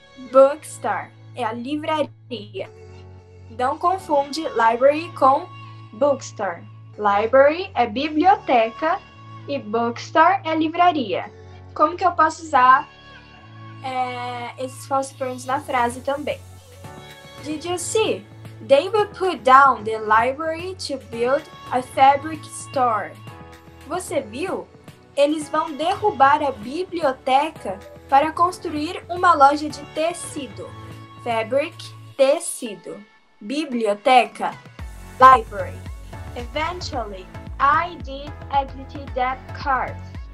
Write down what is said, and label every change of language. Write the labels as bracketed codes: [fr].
[pt] Bookstore é a livraria. Não confunde library com bookstore. Library é biblioteca e bookstore é livraria. Como que eu posso usar esses false pronouns na frase também? [en] Did you see? They will put down the library to build a fabric store. [pt] Você viu? Eles vão derrubar a biblioteca para construir uma loja de tecido. Fabric, tecido. Biblioteca, library. [en] Eventually, I did exit that course.